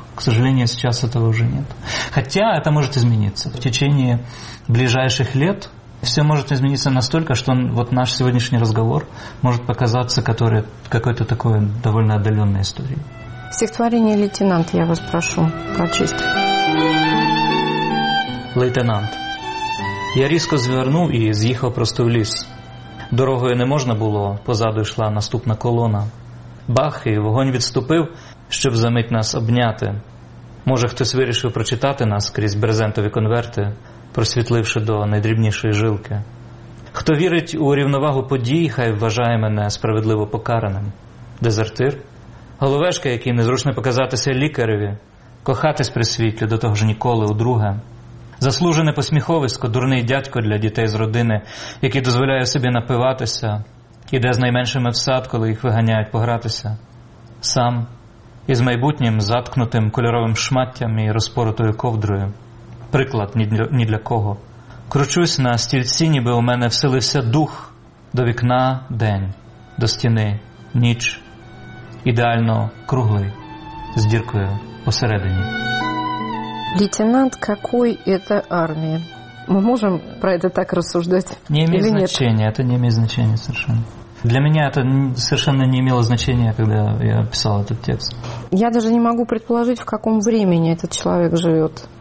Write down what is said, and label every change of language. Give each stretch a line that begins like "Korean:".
Russian: К сожалению, сейчас этого уже нет. Хотя это может измениться. В течение ближайших лет все может измениться настолько, что вот наш сегодняшний разговор может показаться какой-то такой довольно отдаленной историей. Стихотворение «Лейтенант» я вас прошу прочесть.
Ukrainian: Лейтенант. Я різко звернув і з'їхав просто в ліс. Дорогою не можна було, позаду йшла наступна колона. Бах, і вогонь відступив, щоб за мить нас обняти. Може, хтось вирішив прочитати нас крізь брезентові конверти, просвітливши до найдрібнішої жилки. Хто вірить у рівновагу подій, хай вважає мене справедливо покараним. Дезертир? Головешка, який незручно показатися лікареві. Кохатись при світлі, до того ж ніколи, удруге. Заслужене посміховисько, дурний дядько для дітей з родини, який дозволяє собі напиватися, іде з найменшими в сад, коли їх виганяють погратися. Сам із майбутнім заткнутим кольоровим шматтям і розпоротою ковдрою. Приклад ні для кого. Кручусь на стільці, ніби у мене вселився дух. До вікна – день, до стіни – ніч. Ідеально круглий, з діркою посередині.
Russian: Лейтенант какой это армии? Мы можем про это так рассуждать? Не имеет значения, это не имеет значения совершенно. Для меня это совершенно не имело значения, когда я писал этот текст. Я даже не могу предположить, в каком времени этот человек живет.